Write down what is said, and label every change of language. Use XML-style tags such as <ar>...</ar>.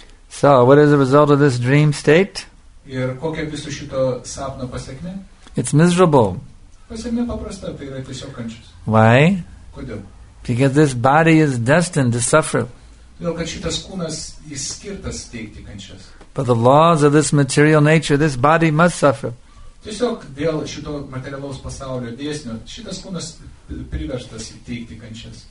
<en>So, what is the result of this dream state?</en> <lt>Ir kokia visų šito sapno pasekmė?</lt> <en>It's miserable.</en> <lt>Pasekmė paprasta, tai yra tiesiog kančios.</lt> <en>Why?</en> <lt>Kodėl?</lt> <en>Because this body is destined to suffer.</en> <lt>Todėl, kad šitas kūnas įskirtas teikti kančias.</lt> <en>But the laws of this material nature, this body must suffer.</en> <lt>Tiesiog dėl šito materialaus pasaulio dėsnio, šitas kūnas priverstas teikti kančias.</lt>